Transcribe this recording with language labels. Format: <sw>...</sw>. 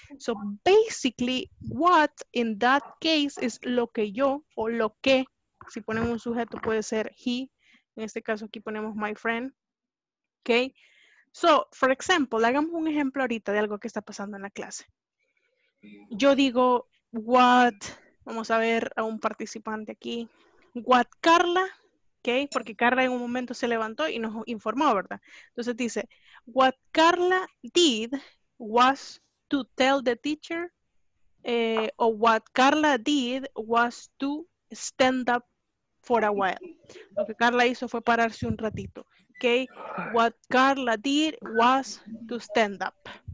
<en>So, basically, what in that case is</en> <es>lo que yo o lo que, si ponen un sujeto puede ser he, en este caso aquí ponemos my friend, ¿ok? So, for example, hagamos un ejemplo ahorita de algo que está pasando en la clase. Yo digo, what, vamos a ver a un participante aquí, what Carla Okay, porque Carla en un momento se levantó y nos informó, ¿verdad? Entonces dice,</es> <en>what Carla did was to tell the teacher, o what Carla did was to stand up for a while.</en> <es>Lo que Carla hizo fue pararse un ratito.</es> <en>Okay, what Carla did was to stand up.</en>